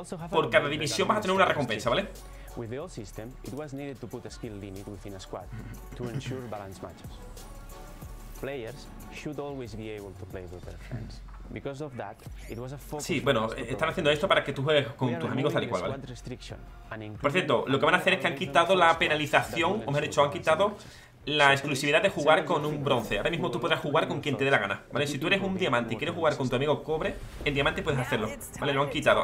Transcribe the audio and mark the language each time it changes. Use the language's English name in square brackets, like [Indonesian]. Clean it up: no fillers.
[Spanish] Por cada división vas a tener una recompensa, ¿vale? [English] With the old system, it was needed to put a skill limit within a squad to ensure balanced matches. Players should always be able to play with their friends. Because of that, it was a focus. [Spanish] Sí, bueno, están haciendo esto para que tú juegues con tus amigos tal y cual, ¿vale? Por cierto, lo que van a hacer es que han quitado la penalización, o mejor dicho, han quitado la exclusividad de jugar con un bronce. Ahora mismo tú podrás jugar con quien te dé la gana, ¿vale? Si tú eres un diamante y quieres jugar con tu amigo cobre, en diamante puedes hacerlo, ¿vale? Lo han quitado.